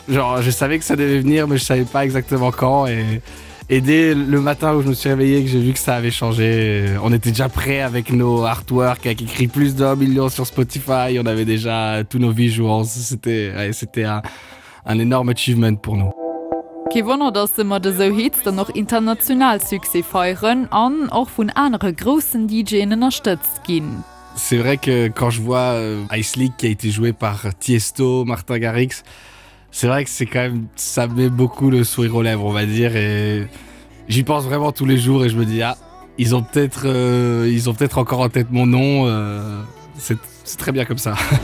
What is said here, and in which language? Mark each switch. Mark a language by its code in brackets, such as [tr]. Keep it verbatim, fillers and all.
[fr] Genre, je savais que ça devait venir, mais je savais pas exactement quand. Et, et dès le matin où je me suis réveillé, que j'ai vu que ça avait changé, on était déjà prêts avec nos artworks, avec écrit plus d'un million sur Spotify. On avait déjà tous nos visuals. C'était, ouais, c'était un, un énorme achievement pour nous. [de] Kein Wunder, dass immer so Hits dann noch international Succès feiern und auch von anderen großen D Js unterstützt gehen. [fr] C'est vrai que quand je vois Ice League qui a été joué par Tiesto, Martin Garrix, c'est vrai que c'est quand même, ça met beaucoup le sourire aux lèvres, on va dire, et j'y pense vraiment tous les jours et je me dis ah, ils ont peut-être, euh, ils ont peut-être encore en tête mon nom, euh, c'est, c'est très bien comme ça.